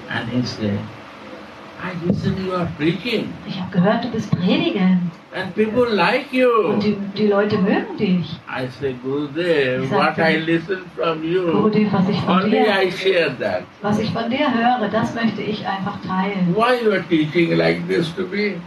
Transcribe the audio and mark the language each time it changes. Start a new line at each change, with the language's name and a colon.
English: And he said, I listen, you are preaching.
German: Ich habe gehört, du bist Predigen.
English: And people like you.
German: Und die Leute mögen dich.
English: I say, Gurudev, what I listen from you.
German: Gurudev, was ich von dir.
English: Only I share that.
German: Was ich von dir höre, das möchte ich einfach teilen.
English: Why you are teaching like this to me?